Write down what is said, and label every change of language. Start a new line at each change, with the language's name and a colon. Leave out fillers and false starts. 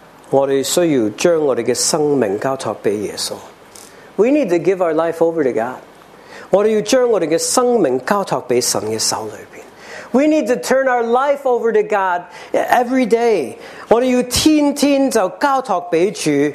Cantonese: 我哋需要將我哋嘅生命交託俾耶穌。
English: We need to give our life over to God.
Cantonese: 我哋要將我哋嘅生命交託俾神嘅手裏邊。
English: We need to turn our life over to God every day.
Cantonese: 我哋要天天就交託俾主。